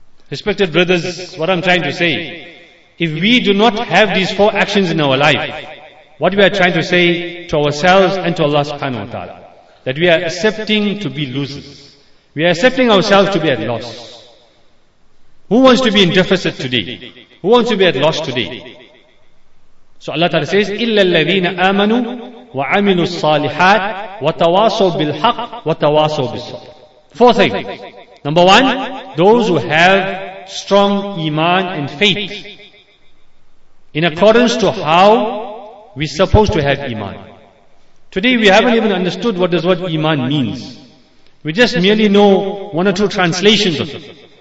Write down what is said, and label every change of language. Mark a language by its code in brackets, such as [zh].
[en] Respected brothers, what I'm trying to say, if we do not have these four actions in our life, what we are trying to say to ourselves and to Allah subhanahu wa ta'ala, that we are accepting to be losers. We are accepting ourselves to be at loss. Who wants to be in deficit today? Who wants to be at loss today? So Allah Ta'ala says, [ar] إِلَّا الَّذِينَ آمَنُوا وَعَمِلُوا الصَّالِحَاتِ وَتَوَاصُوا بِالْحَقِّ وَتَوَاصُوا بِالصَّبْرِ. [en] Four things. Number one, those who have strong iman and faith in accordance to how we're supposed to have iman. Today we haven't even understood what this word iman means. We just merely know one or two translations of it.